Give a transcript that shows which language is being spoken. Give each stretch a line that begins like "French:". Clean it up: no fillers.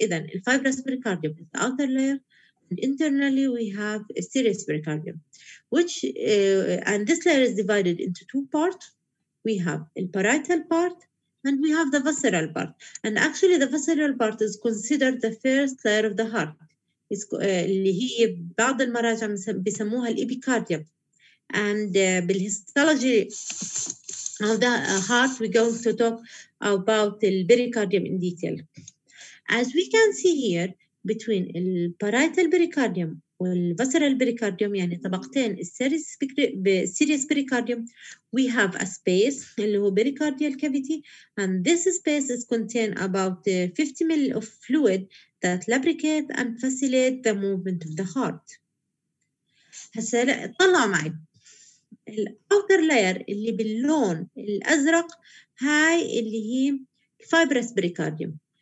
English: Then the fibrous pericardium is the outer layer, and internally we have a serous pericardium, which and this layer is divided into two parts. We have the parietal part, and we have the visceral part. And actually, the visceral part is considered the first layer of the heart. It's the
Arabic: بعض المراجع بيسموها الإبيكارديوم, and بالهيستولوجي.
English: Now the heart, we're going to talk about the pericardium in detail. As we can see here, between the parietal pericardium and the visceral pericardium,
Arabic: يعني طبقتين
English: serious pericardium, we have a space,
Arabic: اللي هو
English: pericardial cavity, and this space is contained about 50 ml of fluid that lubricate and facilitate the movement of the heart.
Arabic: هسه طلع معي. الأوتر لاير اللي باللون الأزرق هاي اللي هي الفايبروس بريكارديوم.